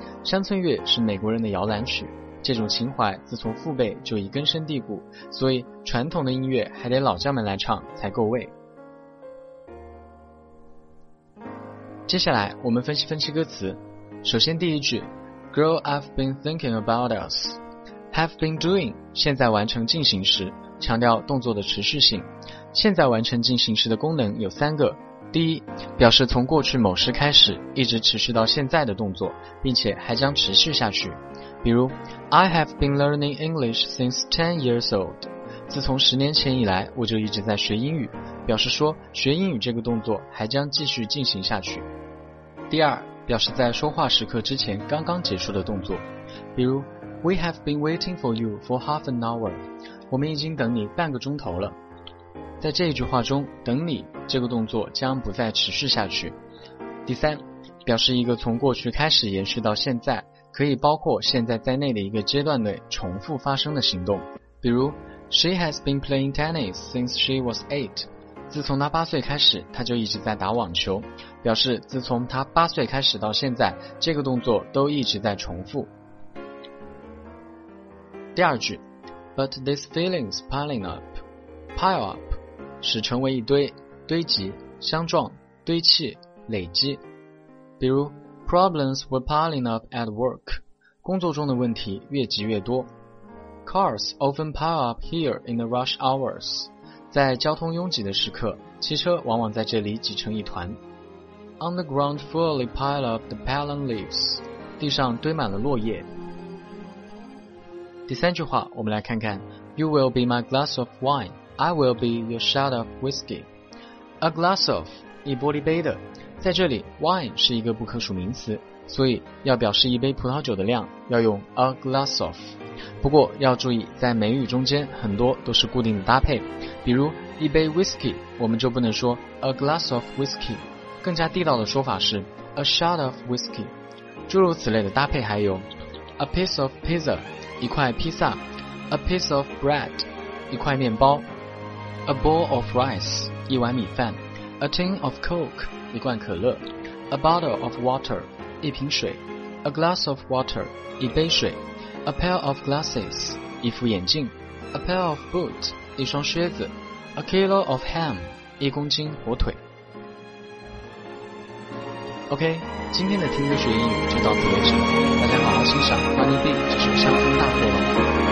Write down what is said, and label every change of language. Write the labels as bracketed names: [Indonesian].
[Chinese] 乡村乐是美国人的摇篮曲，这种情怀自从父辈就已根深蒂固，所以传统的音乐还得老将们来唱才够味。接下来我们分析分析歌词。首先第一句， [English] Girl, I've been thinking about us. Have been doing, [Chinese] 现在完成进行时，强调动作的持续性。现在完成进行时的功能有三个。第一，表示从过去某时开始，一直持续到现在的动作，并且还将持续下去。比如 [English] I have been learning English since 10 years old. [Chinese] 自从十年前以来，我就一直在学英语，表示说学英语这个动作还将继续进行下去。第二，表示在说话时刻之前刚刚结束的动作。比如 [English] We have been waiting for you for half an hour. [Chinese] 我们已经等你半个钟头了。在这一句话中，等你这个动作将不再持续下去。第三，表示一个从过去开始延续到现在，可以包括现在在内的一个阶段内重复发生的行动。比如 [English] She has been playing tennis since she was 8. [Chinese] 自从她八岁开始，她就一直在打网球，表示自从她八岁开始到现在，这个动作都一直在重复。第二句 [English] But these feelings piling up. Pile up [Chinese] 使成为一堆，堆积，相撞，堆砌，累积。比如 [English] Problems were piling up at work. [Chinese] 工作中的问题越积越多。 [English] Cars often pile up here in the rush hours. [Chinese] 在交通拥挤的时刻，汽车往往在这里挤成一团。 [English] On the ground fully pile up the palm leaves. [Chinese] 地上堆满了落叶。第三句话，我们来看看 [English] You will be my glass of wine. I will be your shot of whiskey. A glass of, [Chinese] 一玻璃杯的。在这里 wine 是一个不可数名词，所以要表示一杯葡萄酒的量，要用 a glass of。不过要注意，在美语中间很多都是固定的搭配，比如一杯 whisky 我们就不能说 [English] a glass of whisky， [Chinese] 更加地道的说法是 [English] a shot of whisky。 [Chinese] 诸如此类的搭配还有 [English] a piece of pizza， [Chinese] 一块披萨， [English] a piece of bread， [Chinese] 一块面包， [English] a bowl of rice， [Chinese] 一碗米饭， [English] A tin of coke， [Chinese] 一罐可乐， [English] A bottle of water， [Chinese] 一瓶水， [English] A glass of water， [Chinese] 一杯水， [English] A pair of glasses， [Chinese] 一副眼镜， [English] A pair of boots， [Chinese] 一双靴子， [English] A kilo of ham， [Chinese] 一公斤火腿。 OK， 今天的听歌学英语就到此为止，大家好好欣赏 Honey Bee 这首乡村大作。